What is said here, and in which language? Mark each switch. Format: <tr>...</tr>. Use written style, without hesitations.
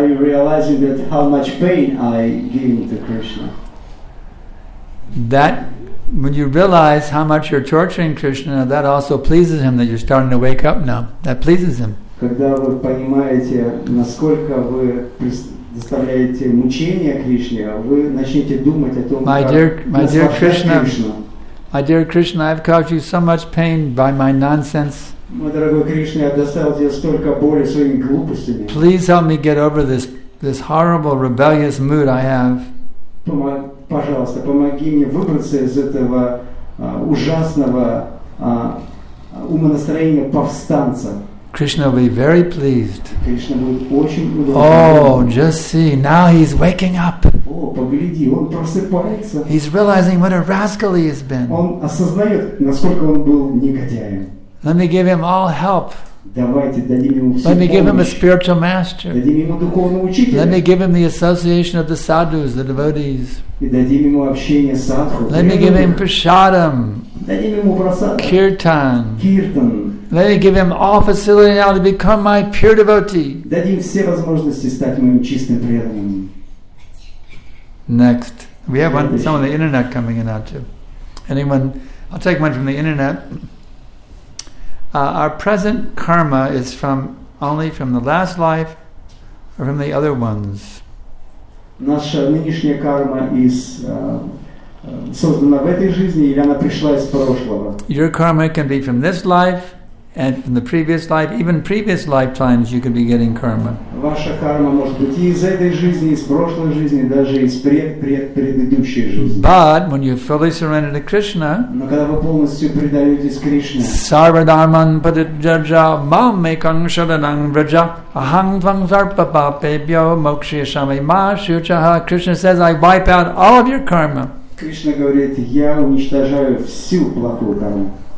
<en>realizing that how much pain I give to Krishna. That when you realize how much you're torturing Krishna, that also pleases him, that you're starting to wake up now. That pleases him.</en> <ru>Когда вы понимаете, насколько вы доставляет мучения Кришне, вы начнете думать о том, как наслаждать Кришну.</ru> <en>My dear Krishna, I've caused you so much pain by my nonsense.</en> <ru>Мой дорогой Кришна, я доставил тебе столько боли своими глупостями.</ru> <en>Please help me get over this horrible rebellious mood I have.</en> <ru>Пожалуйста, помоги мне выбраться из этого ужасного умонастроения повстанца.</ru> <en>Krishna will be very pleased.</en> <ru>Krishna будет очень удовлетворен.</ru> <en>Oh, just see, now he's waking up.</en> <ru>О, погляди, он просыпается.</ru> <en>He's realizing what a rascal he has been.</en> <ru>Он осознает, насколько он был негодяем.</ru> <en>Let me give him all help.</en> <ru>Давайте дадим ему всю помощь.</ru> <en>Let me give him a spiritual master.</en> <ru>Дадим ему духовного учителя.</ru> <en>Let me give him the association of the sadhus, the devotees.</en> <ru>И дадим ему общение садху.</ru> <en>Let me give him prasadam.</en> <ru>Дадим ему прасад.</ru> <en>Kirtan. Kirtan. Let me give him all facility now to become my pure devotee.</en> <ru>Дадим все возможности стать моим чистым преданным.</ru> <en>Next. We have some on the internet coming in now too. Anyone? I'll take one from the internet. Our present karma is only from the last life or from the other ones?</en> <ru>Наша нынешняя карма из создана в этой жизни или она пришла из прошлого?</ru> <en>Your karma can be from this life and from the previous life, even previous lifetimes you could be getting karma.</en> <ru>Ваша карма может быть и из этой жизни, из прошлой жизни, даже из предыдущей жизни.</ru> <en>But when you fully surrender to Krishna,</en> <ru>но когда вы полностью предаетесь Кришне,</ru> <sa>Sarvadharman Padidjaja Mam Mekang Sharanang Vraja Ahang Tvang Sarpa Papebhyo Mokshya Shami Ma Shuchaha.</sa> <en>Krishna says, I wipe out all of your karma.</en> <ru>Кришна говорит, я уничтожаю всю плохую карму.</ru>